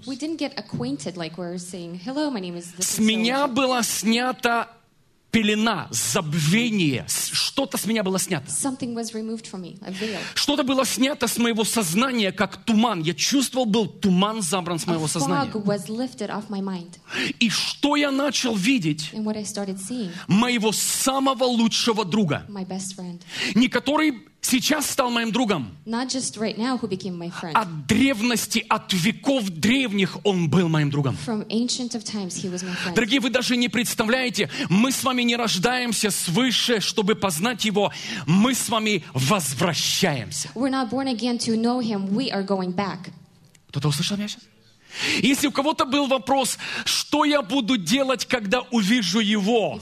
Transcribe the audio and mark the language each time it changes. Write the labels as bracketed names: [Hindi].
[English] We didn't get acquainted, like we're saying, hello, my name is this. [Russian] С меня была снята пелена, забвение, что-то с меня было снято. [English] Something was removed from me, a veil. [Russian] Что-то было снято с моего сознания, как туман. Я чувствовал, был туман забран с моего сознания. [English] A fog was lifted off my mind. [Russian] И что я начал видеть? [English] And what I started seeing. [Russian] Моего самого лучшего друга. [English] My best friend. [Russian] Не который сейчас стал моим другом. [English] Not just right now who became my friend. [Russian] От древности, от веков древних он был моим другом. [English] From ancient of times he was my friend. [Russian] Дорогие, вы даже не представляете, мы с вами не рождаемся свыше, чтобы познать его, мы с вами возвращаемся. [English] We're not born again to know him, we are going back. [Russian] Кто-то услышал меня сейчас? Если у кого-то был вопрос, что я буду делать, когда увижу его?